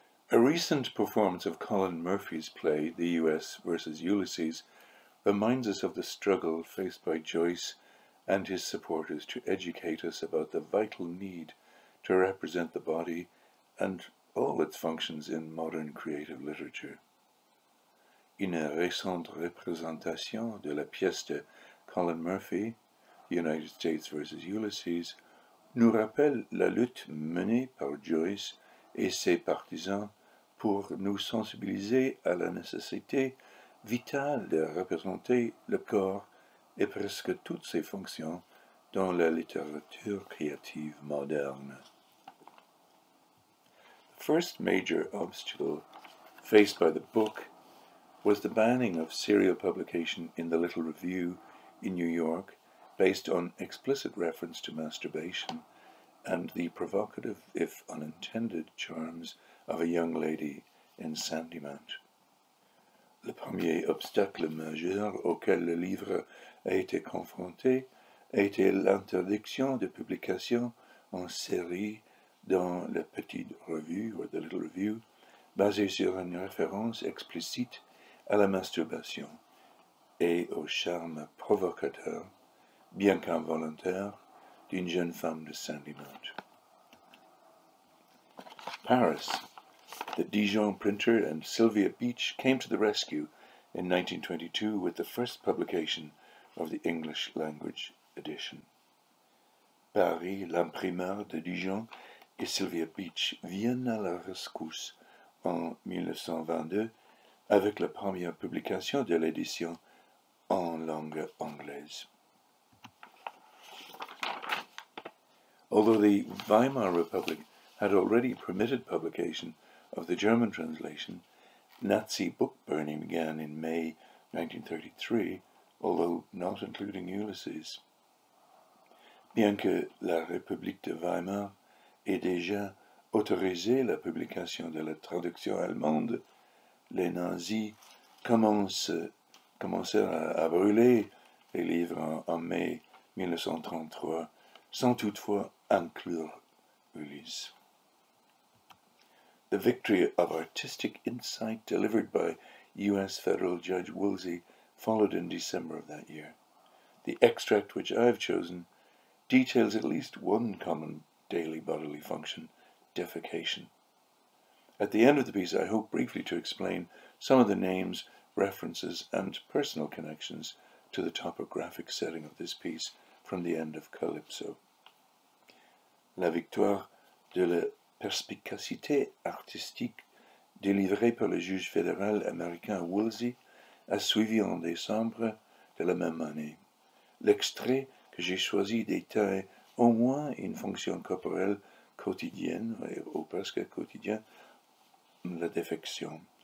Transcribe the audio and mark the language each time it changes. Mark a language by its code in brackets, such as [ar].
[en] A recent performance of Colin Murphy's play, The U.S. versus Ulysses, reminds us of the struggle faced by Joyce and his supporters to educate us about the vital need to represent the body and all its functions in modern creative literature. [fr] Une récente représentation de la pièce de Colin Murphy, United States versus Ulysses, nous rappelle la lutte menée par Joyce et ses partisans pour nous sensibiliser à la nécessité vitale de représenter le corps et presque toutes ses fonctions dans la littérature créative moderne. [en] The first major obstacle faced by the book was the banning of serial publication in the Little Review in New York, based on explicit reference to masturbation and the provocative, if unintended, charms of a young lady in Sandymount. [fr] Le premier obstacle majeur auquel le livre a été confronté était l'interdiction de publication en série dans la Petite Revue, [en] or the Little Review, [fr] basée sur une référence explicite à la masturbation et au charme provocateur, bien qu'involontaire, d'une jeune femme de Sandymount. [en] Paris, the Dijon printer and Sylvia Beach came to the rescue in 1922 with the first publication of the English language edition. [fr] Paris, l'imprimeur de Dijon et Sylvia Beach viennent à la rescousse en 1922 avec la première publication de l'édition en langue anglaise. [en] Although the Weimar Republic had already permitted publication of the German translation, Nazi book burning began in May 1933, although not including Ulysses. [fr] Bien que la République de Weimar ait déjà autorisé la publication de la traduction allemande, les nazis commencèrent à brûler les livres en mai 1933, sans toutefois inclure Ulysse. [en] The victory of artistic insight delivered by U.S. federal judge Woolsey followed in December of that year. The extract which I have chosen details at least one common daily bodily function, defecation. At the end of the piece, I hope briefly to explain some of the names, references, and personal connections to the topographic setting of this piece from the end of Calypso. [fr] La victoire de la perspicacité artistique délivrée par le juge fédéral américain Woolsey a suivi en décembre de la même année. L'extrait que j'ai choisi détaille au moins une fonction corporelle quotidienne, ou presque quotidienne, la défécation.